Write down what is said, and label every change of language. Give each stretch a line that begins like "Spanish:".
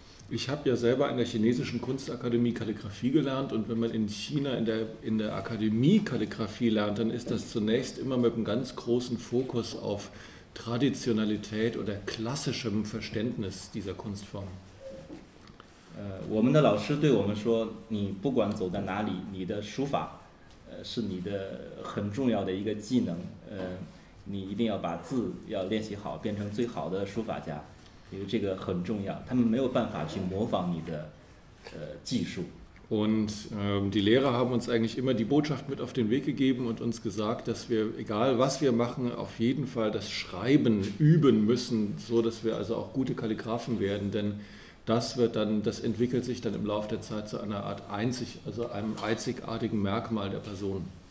German: Ich habe ja selber in der chinesischen Kunstakademie Kalligraphie gelernt und wenn man in China in der Akademie Kalligraphie lernt, dann ist das zunächst immer mit einem ganz großen Fokus auf Traditionalität oder klassischem Verständnis dieser Kunstform.
Chinese: 我们的老师对我们说， 你不管走在哪里， 你的书法， 是你的很重要的一个技能， 你一定要把字要练习好， 变成最好的书法家， 因为这个很重要， 他们没有办法去模仿你的，
German: Und die Lehrer haben uns eigentlich immer die Botschaft mit auf den Weg gegeben und uns gesagt, dass wir, egal was wir machen, auf jeden Fall das Schreiben üben müssen, so dass wir also auch gute Kalligrafen werden, denn das entwickelt sich dann im Laufe der Zeit zu einer Art einem einzigartigen Merkmal der Person.